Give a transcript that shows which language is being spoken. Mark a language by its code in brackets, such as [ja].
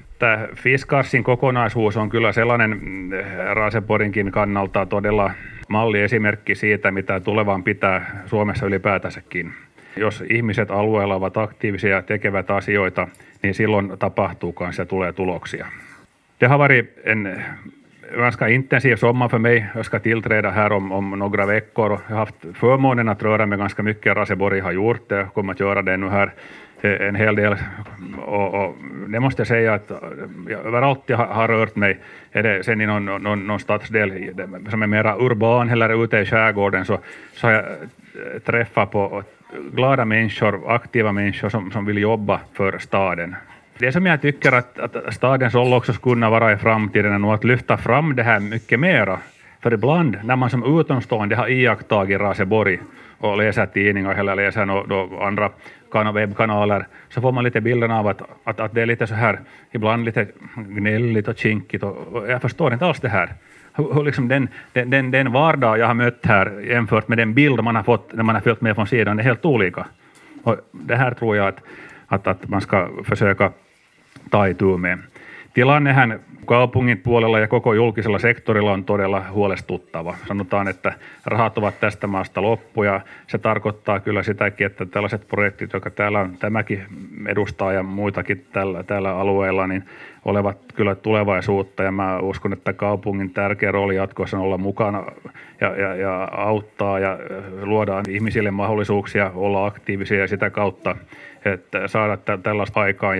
[fi] Tämä Fiskarsin kokonaisuus on kyllä sellainen Raaseporinkin kannalta todella malliesimerkki siitä, mitä tulevaan pitää Suomessa ylipäätänsäkin. Jos ihmiset alueella ovat aktiivisia ja tekevät asioita, niin silloin tapahtuu kanssa ja tulee tuloksia. [sv] Tehavari en ganska intensiv sommar för mig. Jag ska tillträda här om några veckor. Jag har haft förmånen att röra mig ganska mycket. Raaseporg har gjort det. Jag kommer att göra det nu här en hel del. Och det måste jag säga att jag överallt har rört mig. Är det sen i någon stadsdel som är mera urban eller ute i skärgården så har jag träffat på glada människor, aktiva människor som vill jobba för staden. Det som jag tycker att stadens roll också skulle kunna vara i framtiden är nog att lyfta fram det här mycket mera. För ibland när man som utomstående har iakttagit Raaseborg och läser tidningar eller läser andra webbkanaler så får man lite bilden av att det är lite så här ibland lite gnälligt och kinkigt. Och jag förstår inte alls det här. Liksom den vardag jag har mött här jämfört med den bild man har fått när man har följt med från sidan är helt olika. Och det här tror jag att man ska försöka taitua med. [fi] Tilannehän kaupungin puolella ja koko julkisella sektorilla on todella huolestuttava. Sanotaan, että rahat ovat tästä maasta loppu ja se tarkoittaa kyllä sitäkin, että tällaiset projektit, jotka täällä on tämäkin edustaa ja muitakin tällä alueella, niin olevat kyllä tulevaisuutta ja mä uskon, että kaupungin tärkeä rooli jatkossa on olla mukana ja auttaa ja luodaan ihmisille mahdollisuuksia olla aktiivisia ja sitä kautta, että saada tällaista aikaa.